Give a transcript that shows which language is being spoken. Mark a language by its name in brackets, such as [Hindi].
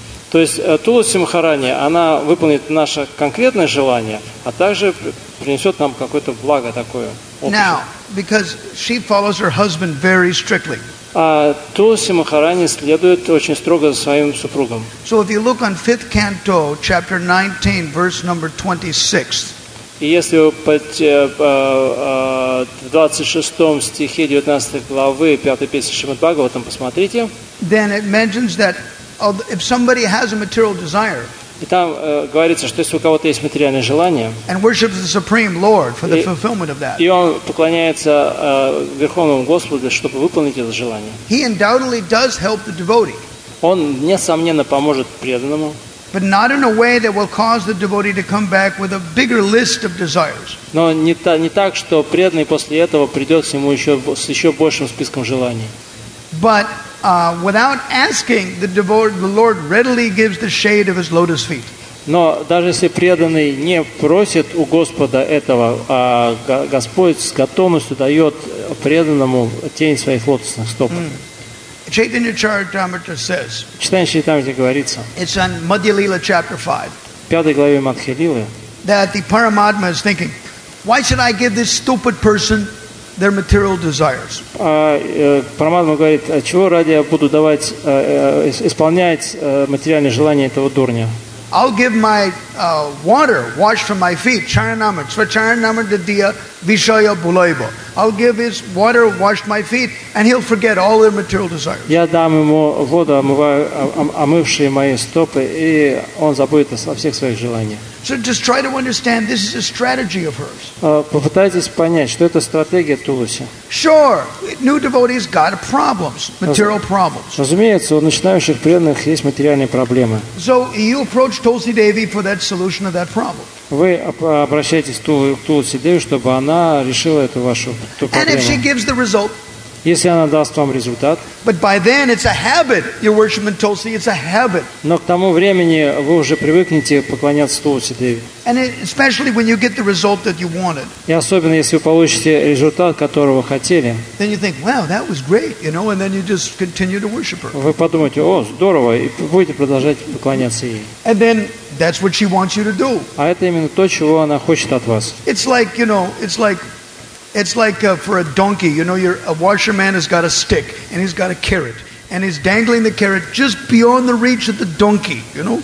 [Russian] То есть Тулси Махарани, она выполнит наше конкретное желание, а также принесет нам какое-то благо такое. [English] Now, because she follows her husband very strictly. [Russian] Тулси Махарани следует очень строго за своим супругом. [English] So if you look on 5th canto, chapter 19, verse number 26. [Russian] И если вы в 26 стихе 19 главы 5 песни Шримад-Бхагаватам там посмотрите. [English] Then it mentions that if somebody has a material desire, [Russian] и там говорится, что если у кого-то есть материальное желание, [English] and worships the Supreme Lord for the fulfillment of that, [Russian] и он поклоняется Верховному Господу, чтобы выполнить это желание, [English] he undoubtedly does help the devotee. [Russian] Он несомненно поможет преданному, [English] but not in a way that will cause the devotee to come back with a bigger list of desires. [Russian] Но не так, что преданный после этого придет к нему еще с еще большим списком желаний. [English] But without asking, the devotee, the Lord readily gives the shade of his lotus feet. [Russian] Но даже если преданный не просит у Господа этого, Господь с готовностью дает преданному тень своих лотосных стоп. [English] Chaitanya Charitamrita says. [Russian] Читание Чайтанья говорится. [English] It's on Madhya Lila chapter 5. [Russian] Пятой главе Мадхья Лилы. [English] That the Paramatma is thinking, why should I give this stupid person their material desires? [Russian] Парамадма говорит, а чего ради я буду давать исполнять материальные желания этого дурня? [English] I'll give my water washed from my feet, charanamrita, [Bangla] svacharanamrita diya vishaya bulaiva. [English] I'll give his water washed my feet and he'll forget all their material desires. [Russian] Я дам ему воду, омывшую мои стопы, и он забудет о всех своих желаниях. [English] So just try to understand this is a strategy of hers. [Russian] Попытайтесь понять, что это стратегия Тулси. [English] Sure, new devotees got problems, material problems. [Russian] Разумеется, у начинающих преданных есть материальные проблемы. [English] So you approach Tulsi Devi for that solution of that problem. [Russian] Вы обращаетесь к Тулси Деви, чтобы она решила эту вашу проблему. [English] And if she gives the result. [Russian] Если она даст вам результат. [English] But by then it's a habit. You're worshiping Tulsi, it's a habit. [Russian] Но к тому времени вы уже привыкнете поклоняться Тулси Деви. [English] And especially when you get the result that you wanted. [Russian] И особенно если вы получите результат, которого хотели. [English] Then you think, wow, that was great, you know, and then you just continue to worship her. [Russian] Вы подумаете, о, здорово, и будете продолжать поклоняться ей. [English] And then that's what she wants you to do. [Russian] А это именно то, чего она хочет от вас. [English] It's like, you know, it's like for a donkey, you know, a washerman has got a stick and he's got a carrot and he's dangling the carrot just beyond the reach of the donkey, you know?